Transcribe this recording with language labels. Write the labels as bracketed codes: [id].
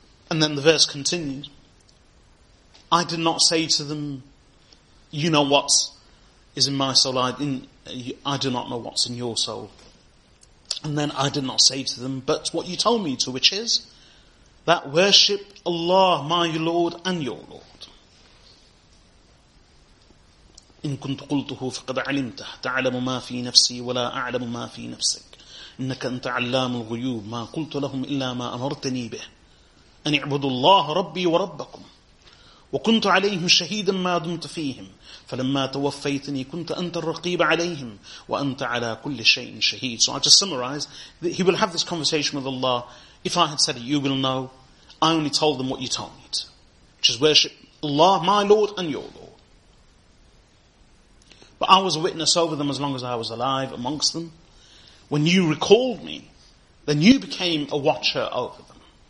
[en] And then the verse continues. I did not say to them, you know what is in my soul. I do not know what's in your soul. And then I did not say to them, but what you told me to, which is that worship Allah, my Lord and your Lord. [ar] إن كنت قلته فقد علمته تعلم ما في نفسي ولا أعلم ما في نفسك إنك أنت علام الغيوب ما قلت لهم إلا ما أمرتني به أن اعبدوا الله ربي وربكم وكنت عليهم شهيدا ما دمت فيهم فلما توفيتني كنت أنت الرقيب عليهم وأنت على كل شيء شهيد. [en] So I just summarize that he will have this conversation with Allah. If I had said it, you will know. I only told them what you told me to, which is worship Allah, my Lord, and your Lord. But I was a witness over them as long as I was alive amongst them. When you recalled me, then you became a watcher over them.